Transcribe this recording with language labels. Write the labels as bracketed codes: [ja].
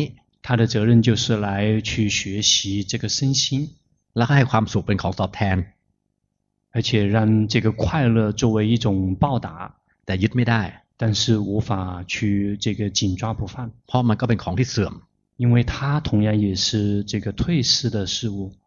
[zh] 它的责任就是来去学习这个身心 [th] แล้วก็ให้ความสุขเป็นของตอบแทน [zh] 而且让这个快乐作为一种报答 [th] แต่ยึดไม่ได้ [zh] 但是无法去这个紧抓不放 [th] เพราะมันก็เป็นของที่เสื่อม [zh] 因为它同样也是这个退失的事物